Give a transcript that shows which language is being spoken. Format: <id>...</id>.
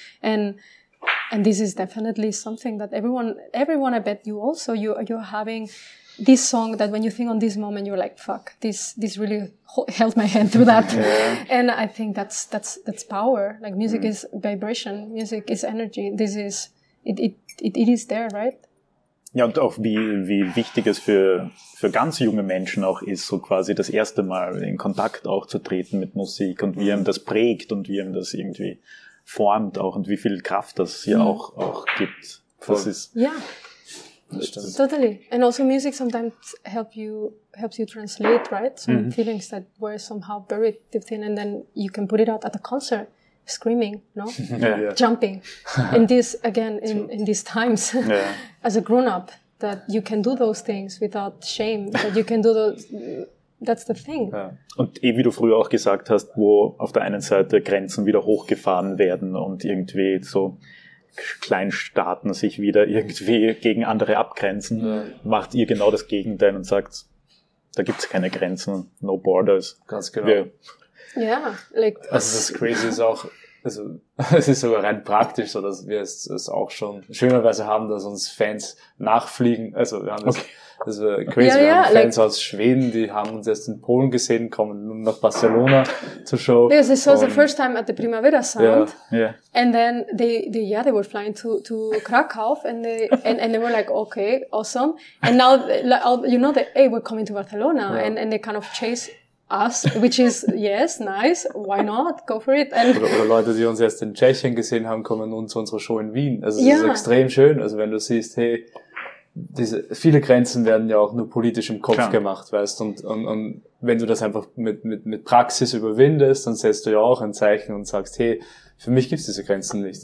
<en>And this is definitely something that everyone, I bet you also, you're having this song that when you think on this moment, you're like, fuck, this really held my hand through that. Yeah. And I think that's power. Like music is vibration. Music is energy. This is, it is there, right?</en> <de>Ja, und auch wie wichtig es für ganz junge Menschen auch ist, so quasi das erste Mal in Kontakt auch zu treten mit Musik und wie einem das prägt und wie einem das irgendwie formt auch und wie viel Kraft das hier auch gibt. Das ist, ja. Das totally.</de> <en>And also music sometimes helps you translate, right? Some feelings that were somehow buried deep in, and then you can put it out at a concert, screaming, no? Yeah. Jumping. In this, again, in these times, as a grown-up, that you can do those things without shame, that you can do those, that's the thing.</en> <de>Ja. Und wie du früher auch gesagt hast, wo auf der einen Seite Grenzen wieder hochgefahren werden und irgendwie so Kleinstaaten sich wieder irgendwie gegen andere abgrenzen, macht ihr genau das Gegenteil und sagt, da gibt es keine Grenzen,</de> <en>no borders.</en> <de>Ganz genau. Also das Crazy ist auch, also es ist sogar rein praktisch so, dass wir es auch schon schönerweise haben, dass uns Fans nachfliegen. Also wir haben das war crazy. Ja, wir haben Fans</de> <en>like,</en> <de>aus Schweden, die haben uns erst in Polen gesehen, kommen nun nach Barcelona zur Show.</de> <en>Yes, they saw the first time at the Primavera Sound. Yeah, And then they were flying to Krakow and they were like, okay, awesome. And now you know that we're coming to Barcelona and they kind of chase us, which is, yes, nice, why not, go for it. And</en> <de>oder Leute, die uns erst in Tschechien gesehen haben, kommen nun zu unserer Show in Wien. Also es ist extrem schön, also wenn du siehst, hey, diese viele Grenzen werden ja auch nur politisch im Kopf gemacht, weißt, und wenn du das einfach mit Praxis überwindest, dann setzt du ja auch ein Zeichen und sagst, hey, für mich gibt's diese Grenzen nicht.</de>